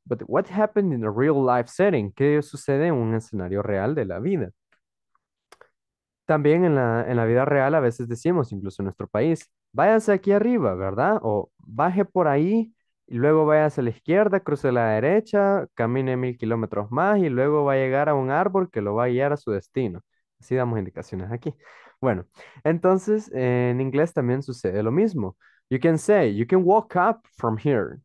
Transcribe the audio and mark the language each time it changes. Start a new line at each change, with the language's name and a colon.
English: But what happened in a real life setting?
Spanish: ¿Qué sucede en un escenario real de la vida? También en la vida real a veces decimos, incluso en nuestro país, váyase aquí arriba, ¿verdad? O baje por ahí, y luego váyase a la izquierda, cruce a la derecha, camine 1,000 kilómetros más, y luego va a llegar a un árbol que lo va a guiar a su destino. Así damos indicaciones aquí. Bueno, entonces en inglés también sucede lo mismo.
English: You can say, you can walk up from here.